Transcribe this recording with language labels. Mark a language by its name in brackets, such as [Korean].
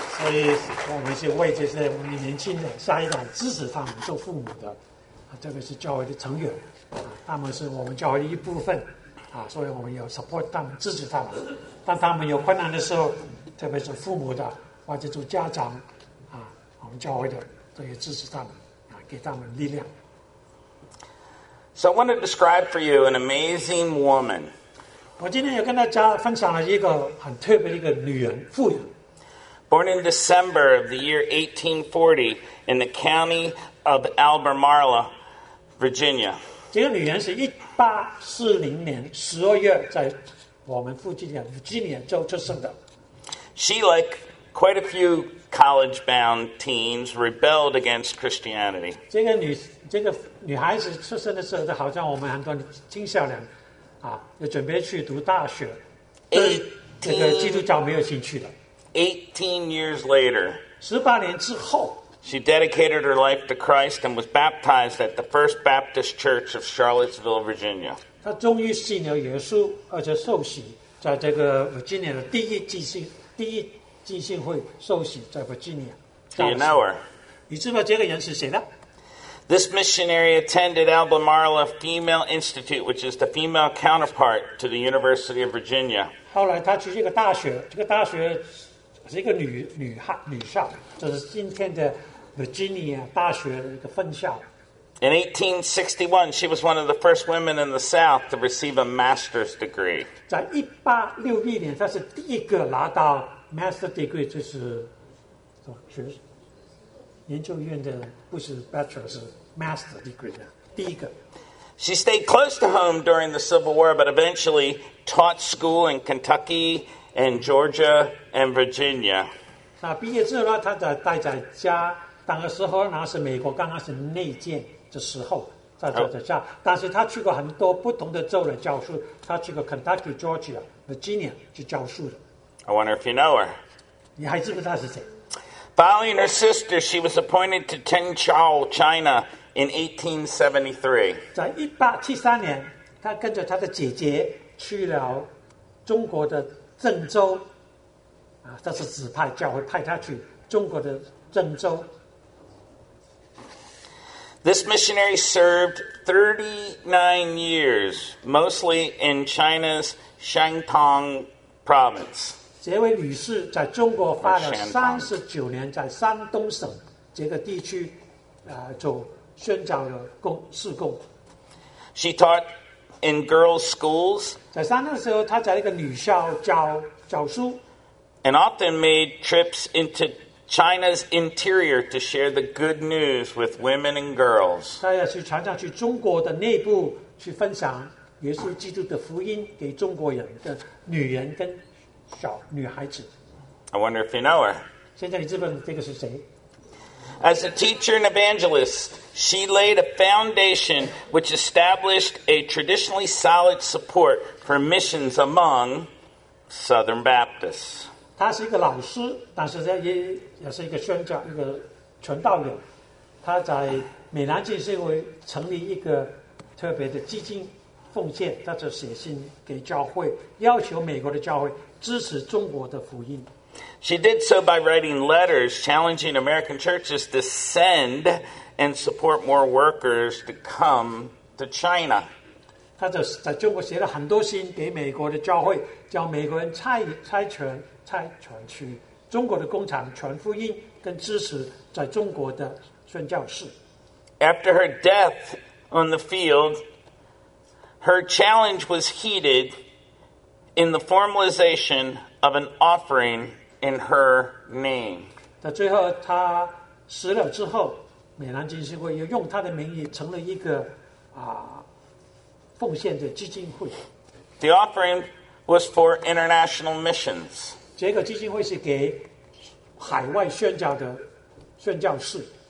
[Chinese] 所以我们是为这些年轻的下一代支持他们做父母的，这个是教会的成员，他们是我们教会的一部分。所以我们要 support 他们，支持他们。当他们有困难的时候，特别是父母的或者做家长，我们教会的都要支持他们，给他们力量。 [English] So I want to describe for you an amazing woman. [Chinese] 我今天要跟大家分享了一个很特别的一个女人，妇人。 [English] Born in December of the year 1840 in the county of Albemarle, Virginia. [Chinese] 这个女人是1840年十二月，在我们弗吉尼亚州出生的。 [English] She, like quite a few college-bound teens, rebelled against Christianity. [Chinese] 这个女孩子出生的时候，就好像我们很多青少年啊，要准备去读大学，这个基督教没有兴趣的。 [English] 18 years later, [Chinese] 十八年之后。 [English] She dedicated her life to Christ and was baptized at the First Baptist Church of Charlottesville, Virginia. [Chinese] 她终于信了耶稣，而且受洗，在这个弗吉尼亚的第一浸信会受洗，在弗吉尼亚。 [English] Do you know her? [Chinese] 你知道这个人是谁呢？ [English] This missionary attended Albemarle Female Institute, which is the female counterpart to the University of Virginia. [Chinese] 后来她去一个大学，这个大学。这个女校，这是今天的 Virginia 大学的一个分校。 [English] In 1861, she was one of the first women in the South to receive a master's degree. [Chinese] 在1861年，她是第一个拿到 master's degree， 就是研究院的不是 bachelor 是 master degree 的第一个。 [English] She stayed close to home during the Civil War, but eventually taught school in Kentucky and Georgia and Virginia. [Chinese] 那毕业之后呢，她在待在家，那个时候呢是美国刚刚是内建的时候。但是他去过很多不同的州来教书，他去过 Kentucky, Georgia, Virginia 去教书的。 [English] I wonder if you know her. [Chinese] 你还知不知道是谁？ [English] Following her sister, she was appointed to Tenchao, China, in 1873. [Chinese] 在1873年，他跟着他的姐姐去了中国的郑州。啊，这是指派教会派他去中国的郑州。 [English] This missionary served 39 years, mostly in China's Shantung province. [Chinese] 这位女士在中国发了39年，在山东省这个地区，做宣教的事工。 [English] She taught in girls' schools. [Chinese] 在山东的时候，她在一个女校教书。 [English] And often made trips into China's interior to share the good news with women and girls. [Chinese] 他要去常常去中国的内部去分享耶稣基督的福音给中国人的女人跟小女孩子。 [English] I wonder if you know her. [Chinese] 现在你知不知道这个是谁？ [English] As a teacher and evangelist, she laid a foundation which established a traditionally solid support for missions among Southern Baptists. [Chinese] 她是一个老师，但是在也。也是一个宣教一个传道人，他在美南浸信会成立一个特别的基金奉献，他就写信给教会，要求美国的教会支持中国的福音。 [English] She did so by writing letters challenging American churches to send and support more workers to come to China. [Chinese] 他就在中国写了很多信给美国的教会，叫美国人差传去中国的工厂传福音，跟支持在中国的宣教士。 [English] After her death on the field, her challenge was heeded in the formalization of an offering in her name. [Chinese] 在最后她死了之后，美南浸信会又用她的名义成了一个奉献的基金会。 [English] The offering was for international missions. [Chinese] 这个基金会是给海外宣教的宣教士。